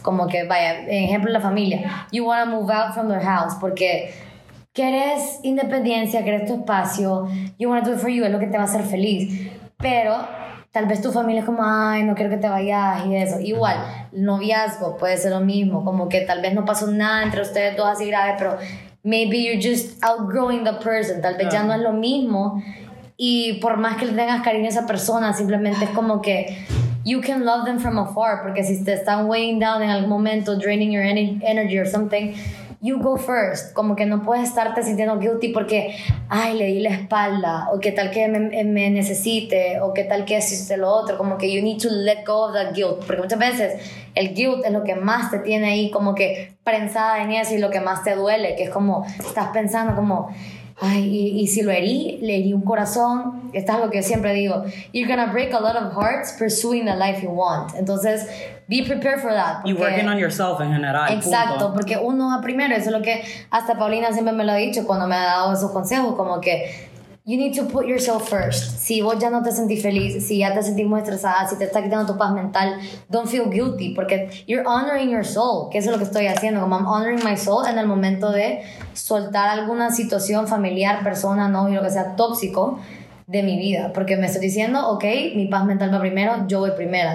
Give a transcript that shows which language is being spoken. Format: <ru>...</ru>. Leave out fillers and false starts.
<es>Como que, vaya, ejemplo, la familia.</es> <en>You want to move out from their house</en> <es>porque querés independencia, querés tu espacio.</es> <en>You want to do it for you,</en> <es>es lo que te va a hacer feliz. Pero tal vez tu familia es como, ay, no quiero que te vayas y eso. Igual, el noviazgo puede ser lo mismo, como que tal vez no pasó nada entre ustedes dos así grave, pero...</es> <en>Maybe you're just outgrowing the person.</en> <es>Tal vez ya no es lo mismo. Y por más que le tengas cariño a esa persona, simplemente es como que</es> <en>you can love them from afar.</en> <es>Porque si te están</es> <en>weighing down</en> <es>en algún momento,</es> <en>draining your energy or something, you go first.</en> <es>Como que no puedes estarte sintiendo guilty porque, ay, le di la espalda, o qué tal que me necesite, o qué tal que hiciste lo otro. Como que</es> <en>you need to let go of that guilt.</en> <es>Porque muchas veces el guilt es lo que más te tiene ahí como que prensada en eso, y lo que más te duele, que es como estás pensando como, ay, y si lo herí, le herí un corazón. Esto es algo que yo siempre digo:</es> <en>you're gonna break a lot of hearts pursuing the life you want. Entonces, be prepared for that. You're working on yourself in general.</en> <es>Exacto, punto. Porque uno va primero. Eso es lo que hasta Paulina siempre me lo ha dicho cuando me ha dado esos consejos: como que</es> <en>you need to put yourself first.</en> <es>Si vos ya no te sentís feliz, si ya te sentís muy estresada, si te está quitando tu paz mental,</es> <en>don't feel guilty,</en> <es>porque</es> <en>you're honoring your soul,</en> <es>que eso es lo que estoy haciendo. Como</es> <en>I'm honoring my soul</en> <es>en el momento de soltar alguna situación familiar, persona, novio, lo que sea, tóxico de mi vida, porque me estoy diciendo, okay, mi paz mental va primero, yo voy primera.</es>